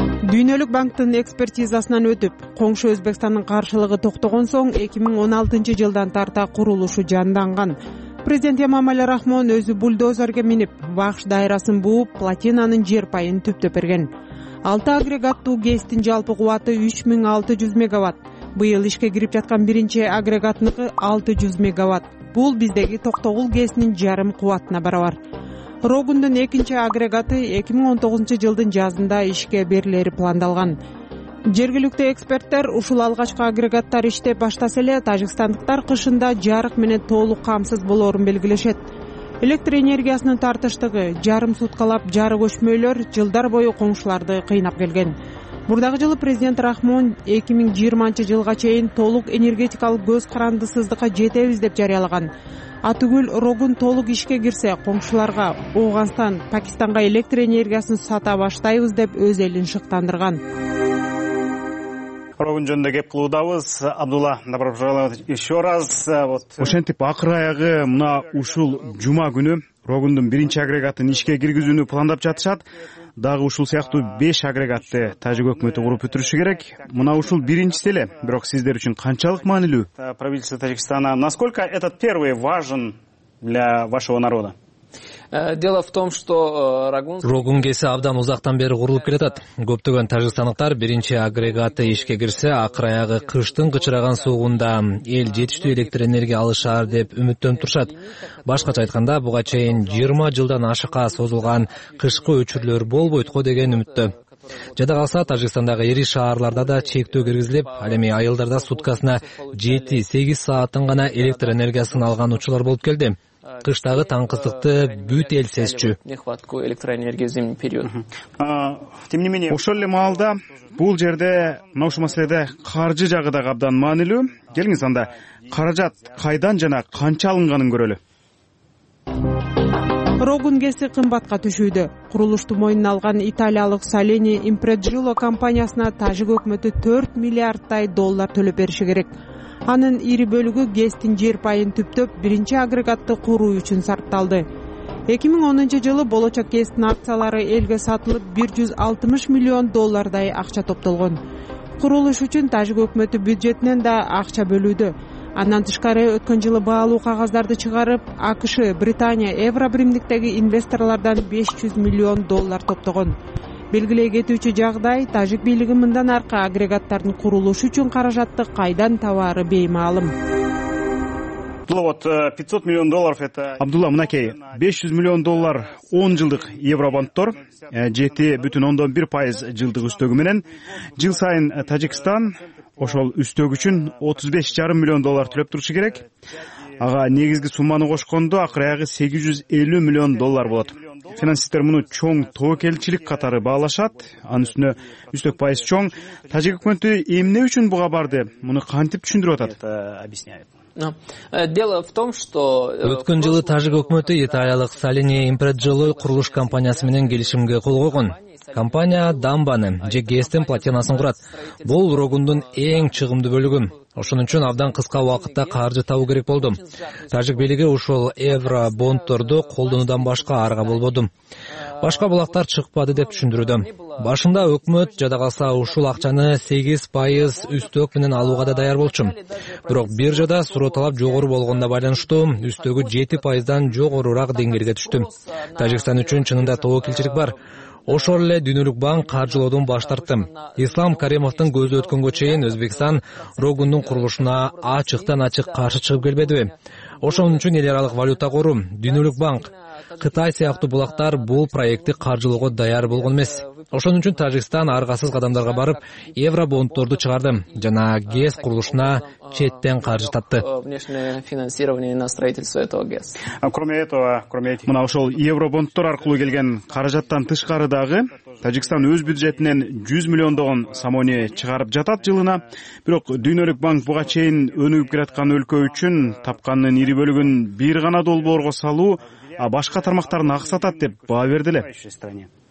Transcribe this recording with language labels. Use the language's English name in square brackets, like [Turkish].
[Kyrgyz] Дүйнөлүк банктын экспертизасынан өтүп, коңшу Өзбекстандын каршылыгы токтогон соң 2016-жылдан тарта курулушу жанданган. Президент Эмомали Рахмон өзү бульдозерге минип, Вахш дайрасын бууп, платинанын жер пайын түптөп берген. 6 агрегаттуу ГЭСтин жалпы кубаты 3600 мегаватт. Быйыл ишке кирип жаткан биринчи агрегатныкы 600 мегаватт. Бул биздеги токтогул ГЭСнин жарым кубатына барабар. Рогундун экинчи агрегаты 2019-жылдын жазында ишке берилери пландалган. Жергиликтүү эксперттер ушул алгачкы агрегаттар иштеп баштаса эле тажикстандыктар кышында жарык менен толук камсыз болорун белгилешет. Электр энергиясынын тартыштыгы, жарым суткалап жарык өчмөйлөр жылдар бою коңшуларды кыйнап келген. Мурдагы жылы президент Рахмон 2020 жылга чейин толук энергетикалык көз карандысыздыкка жетебиз деп жарыялаган. Атыгүл Рогун толук ишке кирсе, коңшуларга Ооганстан, Пакистанга электр энергиясын сата баштайбыз деп өз элин шыктандырган. Рогун жөнүндө кеп кылуудабыз. [Russian] Абдулла, добро пожаловать еще раз. [Kyrgyz] Ошентип акыр аягы мына ушул жума күнү Рогундун биринчи агрегатын ишке киргизүүнү пландап жатышат. Дагы ушул сыяктуу 5 агрегатты Тажик өкмөтү куруп бүтүрүшү керек. Мына ушул биринчиси эле, бирок сиздер үчүн канчалык маанилүү? [Russian] Правительство Таджикистана, насколько этот первый важен для вашего народа? Дело в том, что [Kyrgyz] Рогун ГЭСи абдан узактан бери курулуп келатат. Көптөгөн тажикстандыктар биринчи агрегаты ишке кирсе, акыр аягы кыштын кычыраган суугунда эл жетиштүү электр энергия алышар деп үмүттөнүп турушат. Башкача айтканда, буга чейин 20 жылдан ашыкка созулган кышкы өчүрлөр болбойт го деген үмүттө. Жада калса, Тажикстандагы ири шаарларда да чектөө киргизилип, ал эми айылдарда суткасына 7-8 сааттын гана электр энергиясын алган учурлар болуп келди. Кыштагы таң кысыкты бүт эл сезчү. [Russian] Нехватку электроэнергии в зимний период. Тем не менее, [Kyrgyz] ошол эле маалда бул жерде мына ушул маселеде каржы жагы дагы абдан маанилүү. Келиңиз анда каражат кайдан жана канча алынганын көрөлү. Рогун ГЭСи кымбатка түшүүдө. Курулушту мойнуна алган италиялык Салени Импреджило компаниясына тажик өкмөтү 4 миллиарддай доллар төлөп бериши керек. Анын ири бөлүгү ГЭСтин жер пайын түптөп, биринчи агрегатты куруу үчүн сарпталды. 2010 жылы болочок ГЭСтин акциялары элге сатылып, 160 миллион доллардай акча топтолгон. Курулуш үчүн Тажик өкмөтү бюджетинен да акча бөлүүдө. Андан тышкары өткөн жылы баалуу кагаздарды чыгарып, АКШ, Британия, Евробиримдиктеги инвесторлордон 500 миллион доллар топтогон. Белгилей кетүүчү жагдай, тажик бийлиги мындан аркы агрегаттардын курулушу үчүн каражатты кайдан табары беймаалым. [Russian] Вот 500 миллион долларов это [Kyrgyz] Абдулла мынакей, 500 миллион доллар 10 жылдык евробандтор, 7.1% жылдык үстөгү менен жыл сайын Тажикстан ошол үстөгү үчүн 35,5 миллион доллар төлөп турушу керек. Ага негизги сумманы кошкондо акыр аягы 850 миллион доллар болот. Финансисттер муну чоң тоокелчилик катары баалашат. Анын үстүнө үстөк пайыз чоң. Тажик өкмөтү эмне үчүн буга барды? Муну кантип түшүндүрүп атат? [Russian] Дело в том, что [Kyrgyz] өткөн жылы Тажик өкмөтү италиялык Салени Импреджило курулуш компаниясы менен келишимге кол койгон. Компания дамбаны же ГЭСтин платинасын курат. Бул Рогундун эң чыгымдуу бөлүгү. Ошон үчүн абдан кыска убакытта каржы табуу керек болду. Тажик бийлиги ушул евро бондторду колдонуудан башка арга болбоду. Башка булактар чыкпады деп түшүндүрүүдө. Башында өкмөт жада калса ушул акчаны 8% үстөк менен алууга да даяр болчу. Бирок биржада суроо талап жогору болгонуна байланыштуу үстөгү 7%дан жогорураак деңгээлге түштү. Тажикстан үчүн чынында тоокелчилик бар. Ошол эле Дүйнөлүк банк каржылоодон баш тартты. Ислам Каримовдун көзү өткөнгө чейин Өзбекстан Рогундун курулушуна ачыктан ачык каршы чыгып келбедиби? Ошон үчүн эл аралык валюта кору, Дүйнөлүк банк, Кытай сыяктуу булактар бул проектти каржылоого даяр болгон эмес. Ошон үчүн Тажикстан аргасыз кадамдарга барып евро бондторду чыгарды жана ГЭС курулушуна четтен каржы татты. [Russian] Внешнее финансирование на строительство этого ГЭС. Кроме этого, [Kyrgyz] мына ошол евро бондтор аркылуу келген каражаттан тышкары дагы Тажикстан өз бюджетинен 100 миллиондогон самони чыгарып жатат жылына. Бирок Дүйнөлүк банк буга чейин өнүгүп келаткан өлкө үчүн тапканынын ири бөлүгүн бир гана долбоорго салуу а башка тармактарын аксатат деп баа берди эле.